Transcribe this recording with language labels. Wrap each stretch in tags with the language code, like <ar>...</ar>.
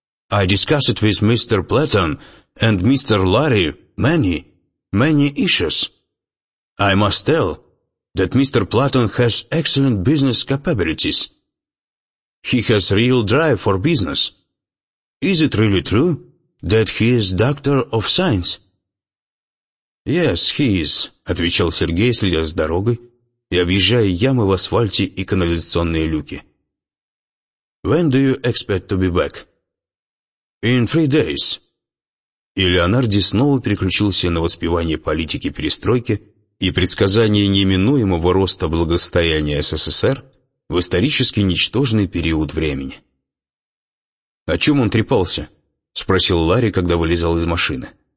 <en>I discussed with Mr. Platon and Mr. Larry many, many issues. I must tell that Mr. Platon has excellent business capabilities. He has real drive for business. Is it really true that he is doctor of science? Yes, he is,</en> <ru>отвечал Сергей, следя за дорогой и объезжая ямы в асфальте и канализационные люки.</ru> <en>When do you expect to be back? In 3 days.</en> <ru>И Леонарди снова переключился на воспевание политики перестройки и предсказание неминуемого роста благосостояния СССР в исторически ничтожный период времени. «О чем он трепался?» — спросил Ларри, когда вылезал из машины.</ru>